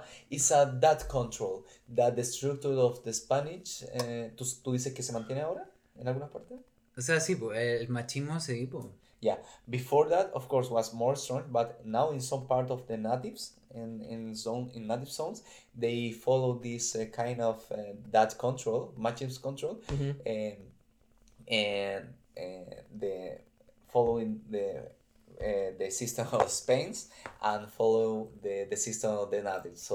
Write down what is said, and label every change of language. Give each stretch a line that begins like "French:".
English: It's a that control that the structure of the Spanish.
Spanish: ¿Tú dices que se mantiene ahora en algunas partes? O sea, sí, el machismo se hizo.
English: Yeah, before that, of course, was more strong, but now in some part of the natives in native zones, they follow this kind of that control, machismo control, the following the system of Spain's and follow the system of the natives.